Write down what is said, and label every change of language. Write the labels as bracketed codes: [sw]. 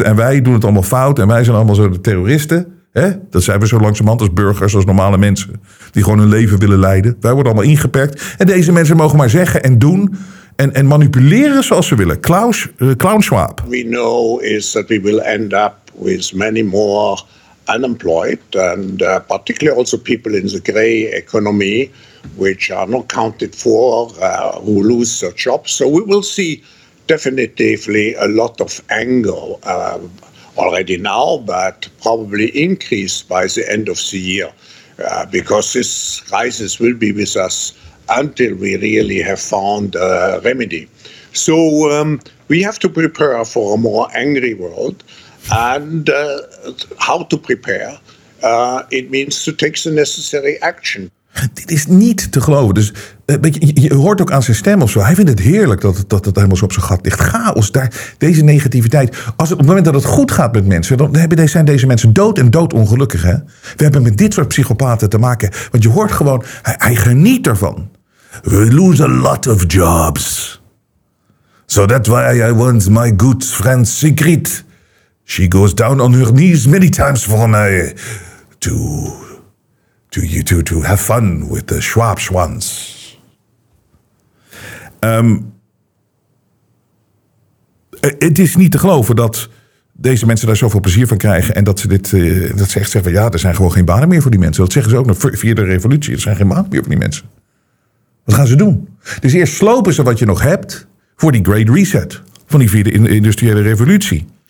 [nl] En wij doen het allemaal fout. En wij zijn allemaal zo de terroristen. Hè? Dat zijn we zo langzamerhand als burgers, als normale mensen. Die gewoon hun leven willen leiden. Wij worden allemaal ingeperkt. En deze mensen mogen maar zeggen en doen. En manipuleren zoals ze willen. Clown Schwab. [en] We know is that we will end up with many more... unemployed, and particularly also people in the gray economy, which are not counted for, who lose their jobs. So we will see definitively a lot of anger already now, but probably increased by the end of the year, because this crisis will be with us until we really have found a remedy. So we have to prepare for a more angry world. And how to prepare, it means to take the necessary action. [nl] Dit is niet te geloven. Dus je hoort ook aan zijn stem of zo. Hij vindt het heerlijk dat het helemaal zo op zijn gat ligt. Chaos, daar, deze negativiteit. Als het, op het moment dat het goed gaat met mensen... dan zijn deze mensen dood en dood ongelukkig. Hè? We hebben met dit soort psychopaten te maken. Want je hoort gewoon, hij geniet ervan. [en] We lose a lot of jobs. So that's why I want my good friend Sigrid... She goes down on her knees many times for me to have fun with the Schwab Schwans. [nl] Het is niet te geloven dat deze mensen daar zoveel plezier van krijgen. En dat ze dit dat ze echt zeggen, ja, er zijn gewoon geen banen meer voor die mensen. Dat zeggen ze ook nog via de revolutie. Er zijn geen banen meer voor die mensen. Wat gaan ze doen? Dus eerst slopen ze wat je nog hebt voor die Great Reset. Van die vierde industriële revolutie.